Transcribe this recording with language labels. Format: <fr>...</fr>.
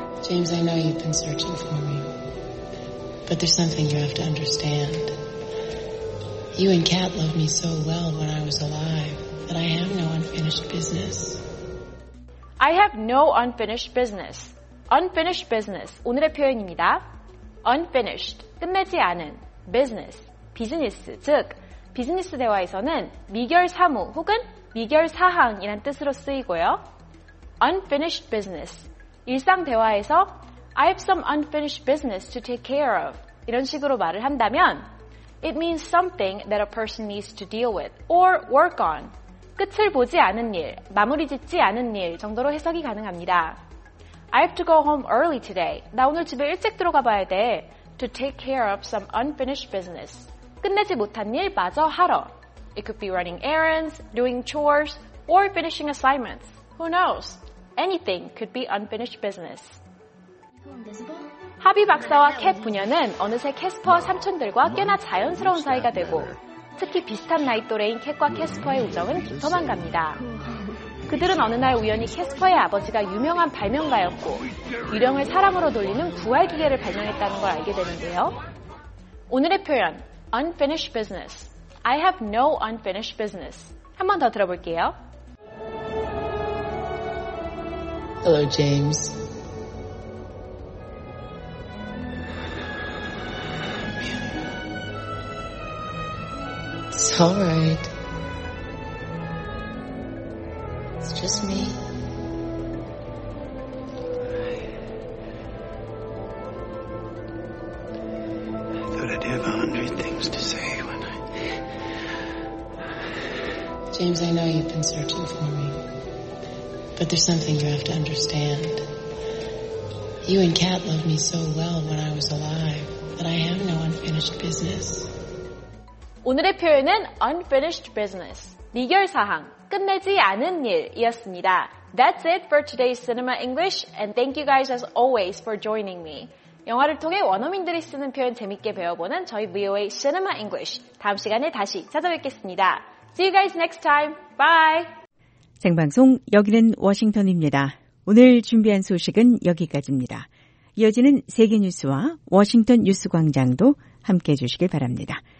<en>because I know you've been searching for me. But there's something you have to understand. You and Kat loved me so well when I was alive that I have no unfinished business. I have no unfinished business.</en> <ko>Unfinished business, 오늘의 표현입니다. Unfinished, 끝내지 않은, business, 비즈니스, 즉, 비즈니스 대화에서는 미결 사무 혹은 미결 사항이란 뜻으로 쓰이고요.</ko> <en>Unfinished business,</en> <ko>일상 대화에서</ko> <en>I have some unfinished business to take care of,</en> <ko>이런 식으로 말을 한다면</ko> <en>It means something that a person needs to deal with or work on.</en> <ko>끝을 보지 않은 일, 마무리 짓지 않은 일 정도로 해석이 가능합니다.</ko> <en>I have to go home early today.</en> <ko>나 오늘 집에 일찍 들어가 봐야 돼.</ko> <en>To take care of some unfinished business.</en> <ko>끝내지 못한 일 마저 하러.</ko> <en>It could be running errands, doing chores, or finishing assignments. Who knows? Anything could be unfinished business.</en> <ko>하비 박사와 캣 부녀는 어느새 캐스퍼 삼촌들과 꽤나 자연스러운 사이가 되고 특히 비슷한 나이 또래인 캣과 캐스퍼의 우정은 깊어만 갑니다. 그들은 어느 날 우연히 캐스퍼의 아버지가 유명한 발명가였고 유령을 사람으로 돌리는 부활기계를 발명했다는 걸 알게 되는데요. 오늘의 표현, unfinished business.</ko> <en>I have no unfinished business.</en> <ko>한 번 더 들어볼게요.</ko> <en>Hello, James. It's all right. It's just me. I thought I'd have 100 things to say when I... James, I know you've been searching for me. But there's something you have to understand. You and Kat loved me so well when I was alive that I have no unfinished business.</en> <ko>오늘의 표현은 unfinished business, 미결사항, 끝내지 않은 일이었습니다.</ko> <en>That's it for today's Cinema English, and thank you guys as always for joining me.</en> <ko>영화를 통해 원어민들이 쓰는 표현 재밌게 배워보는 저희 VOA Cinema English, 다음 시간에 다시 찾아뵙겠습니다.</ko> <en>See you guys next time. Bye!</en> <ko>생방송 여기는 워싱턴입니다. 오늘 준비한 소식은 여기까지입니다. 이어지는 세계뉴스와 워싱턴 뉴스광장도 함께해 주시길 바랍니다.</ko>